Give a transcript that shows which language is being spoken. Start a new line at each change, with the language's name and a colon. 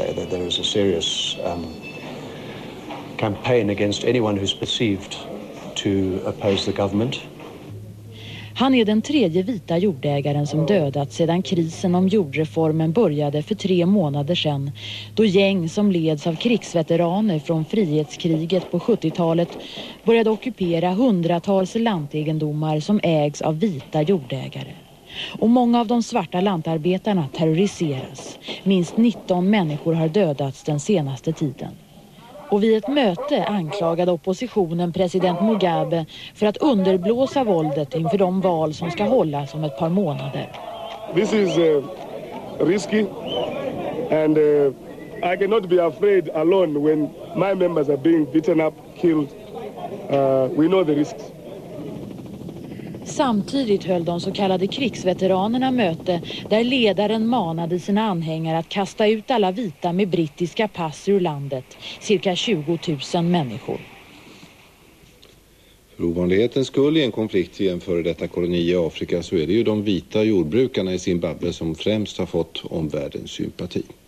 English: There is a serious campaign against anyone who's perceived to oppose the government.
Swedish: Han är den tredje vita jordägaren som dödats sedan krisen om jordreformen började för 3 månader sedan, då gäng som leds av krigsveteraner från frihetskriget på 70-talet började ockupera hundratals lantegendomar som ägs av vita jordägare. Och många av de svarta lantarbetarna terroriseras. Minst 19 människor har dödats den senaste tiden. Och vid ett möte anklagade oppositionen president Mugabe för att underblåsa våldet inför de val som ska hållas om ett par månader.
English: This is risky and I cannot be afraid alone when my members are being beaten up, killed. We know the risks.
Swedish: Samtidigt höll de så kallade krigsveteranerna möte där ledaren manade sina anhängare att kasta ut alla vita med brittiska pass ur landet, cirka 20 000 människor. För ovanlighetens skull i en konflikt i en före detta koloni i Afrika så är det ju de vita jordbrukarna i Zimbabwe som främst har fått omvärldens sympati.